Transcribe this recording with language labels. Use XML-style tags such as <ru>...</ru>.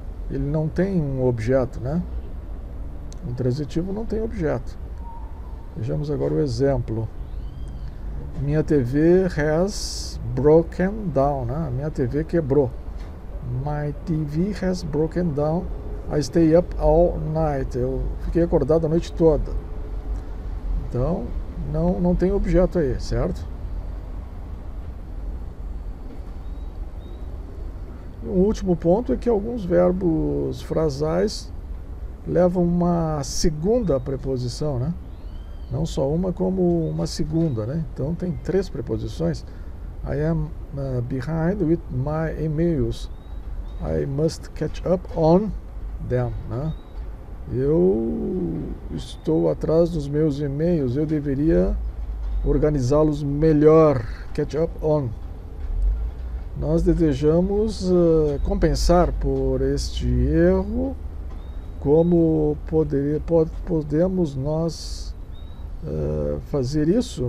<pt>Ele não tem um objeto, né? O intransitivo não tem objeto. Vejamos agora o exemplo. Minha</pt> <en>TV has broken down, né?</en> <pt>Minha TV quebrou.</pt> <en>My TV has broken down. I stay up all night.</en> <pt>Eu fiquei acordado a noite toda. Então, não tem objeto aí, certo? O último ponto é que alguns verbos frasais levam uma segunda preposição, né? Não só uma, como uma segunda, né? Então tem três preposições.</pt> <en>I am behind with my emails. I must catch up on them, né?</en> <pt>Eu estou atrás dos meus e-mails. Eu deveria organizá-los melhor. Catch up on. Nós desejamos compensar por este erro. Como podemos nós fazer isso?</pt>